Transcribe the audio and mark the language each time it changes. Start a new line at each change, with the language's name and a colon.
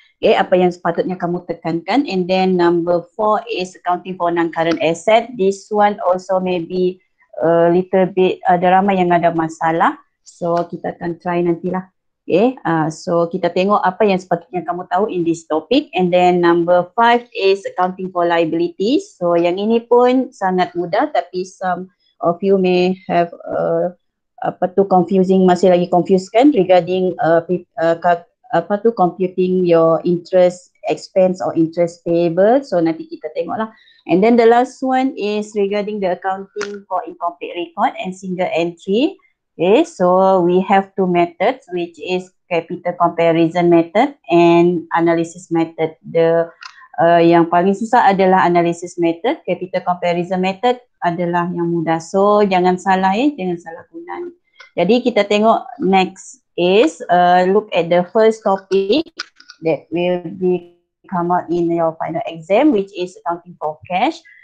Malay: Okay, apa yang sepatutnya kamu tekankan.
English: And then number 4 is accounting for non-current asset. This one also maybe a little bit
Malay: ada ramai yang ada masalah. So kita akan try nantilah. Okay, so kita tengok apa yang sepatutnya kamu tahu
English: in this topic. And then number 5 is accounting for liabilities. So yang ini pun sangat mudah tapi some of you may have apa tu confusing, masih lagi confused kan regarding apa tu computing your interest expense or interest payable. So nanti kita tengok lah. And then the last one is regarding the accounting for incomplete record and single entry. Okay, so we have two methods, which is capital comparison method and analysis method.
Malay: The yang paling susah adalah analysis method. Capital comparison method adalah yang mudah. So jangan salah eh, jangan salah guna. Jadi kita tengok
English: next is look at the first topic that will be come out in your final exam, which is accounting for cash.